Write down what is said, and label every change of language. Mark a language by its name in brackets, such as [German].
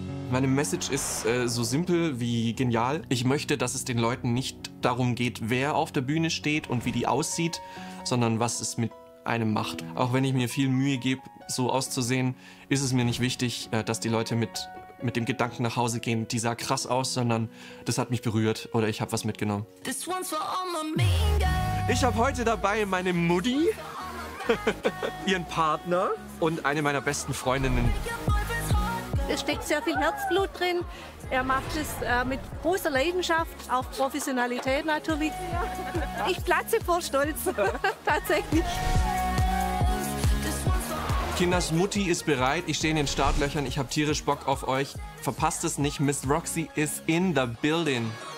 [German] Meine Message ist so simpel wie genial. Ich möchte, dass es den Leuten nicht darum geht, wer auf der Bühne steht und wie die aussieht, sondern was es mit einem macht. Auch wenn ich mir viel Mühe gebe, so auszusehen, ist es mir nicht wichtig, dass die Leute mit dem Gedanken nach Hause gehen, die sah krass aus, sondern das hat mich berührt oder ich habe was mitgenommen. [English] This one's for all my mean girls. [German] Ich habe heute dabei meine Mutti, ihren Partner und eine meiner besten Freundinnen. Es steckt sehr viel Herzblut drin. Er macht es mit großer Leidenschaft, auch Professionalität natürlich. Ich platze vor Stolz, tatsächlich. Kinders Mutti ist bereit. Ich stehe in den Startlöchern. Ich habe tierisch Bock auf euch. Verpasst es nicht. [English] Miss Roxy is in the building.